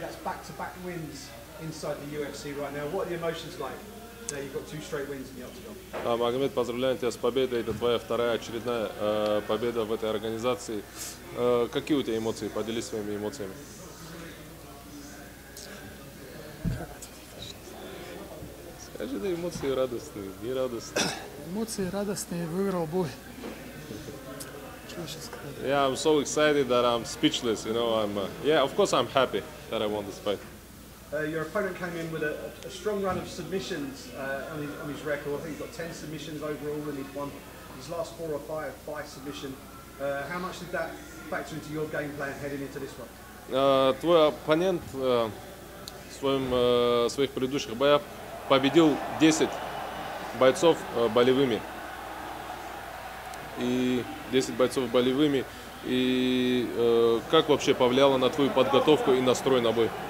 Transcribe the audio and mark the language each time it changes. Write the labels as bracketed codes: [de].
[en] That's back-to-back wins inside the UFC right now. What are the emotions like? There, you've got two straight wins in the octagon. [ru] Магомед, поздравляю тебя с победой. Это твоя вторая очередная победа в этой организации. Какие у тебя эмоции? Поделись своими эмоциями. Скажи, да, эмоции радостные, не радостные. Эмоции радостные, выиграл бой. [en] Yeah, I'm so excited that I'm speechless. You know, I'm yeah, of course I'm happy that I won this fight. Your opponent came in with a strong run of submissions on his record. I think he's got 10 submissions overall, and he's won his last four or five by submission. How much did that factor into your game plan heading into this one? [ru] Твой оппонент в своих предыдущих боях победил 10 бойцов болевыми. И 10 бойцов болевыми. И как вообще повлияло на твою подготовку и настрой на бой?